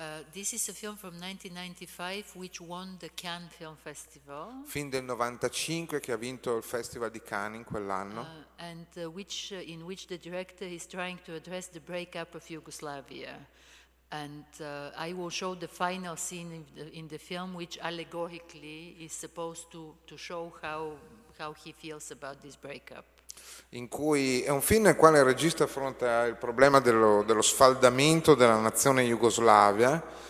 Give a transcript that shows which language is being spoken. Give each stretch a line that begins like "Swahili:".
English: This is a film from 1995 which won the Cannes Film Festival.
Italian: Film del 95 che ha vinto il Festival di Cannes in quell'anno.
English: In which the director is trying to address the breakup of Yugoslavia. And I will show the final scene in the film, which allegorically is supposed to show how he feels about this breakup.
Italian: In cui è un film nel quale il regista affronta il problema dello sfaldamento della nazione jugoslava.